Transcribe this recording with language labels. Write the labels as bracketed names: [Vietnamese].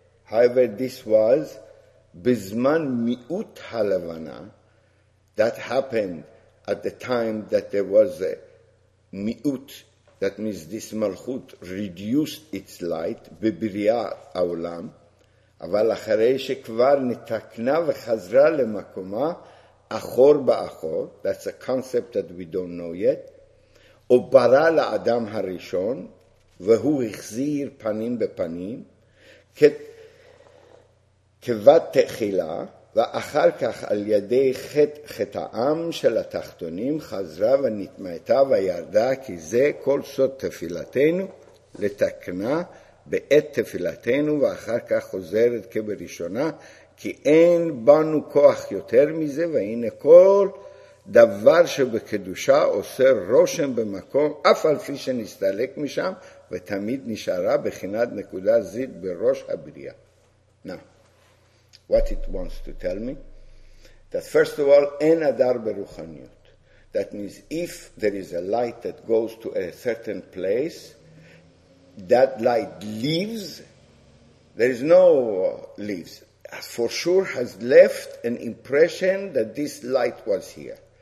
[English] However, this was [Hebrew] Bizman Mi'ut HaLevana. [English] That happened at the time that there was a Mi'ut, that means this Malchut reduced its light, [Hebrew] Bibriyat Aulam. אבל אחרי שכבר נתקנה וחזרה למקומה, אחור באחור, [English] that's a concept that we don't know yet, [Hebrew] או ברא לאדם הראשון, והוא החזיר פנים בפנים, כבת תחילה, ואחר כך על ידי חטאם של התחתונים, חזרה ונתמעטה וירדה, כי זה כל סוד תפילתנו, לתקנה, בעת תפילתנו ואחר כך חוזרת כבראשונה כי אין בנו כוח יותר מזה והנה כל דבר שבקדושה עושה רושם במקום אף על פי שנסתלק משם ותמיד נשארה בחינת נקודה זית בראש הבריאה. [English] Now, what it wants to tell me? That first of all, [Hebrew] אין הדר ברוחניות. [English] That means if there is a light that goes to a certain place, that light leaves, there is no leaves, for sure has left an impression that this light was here.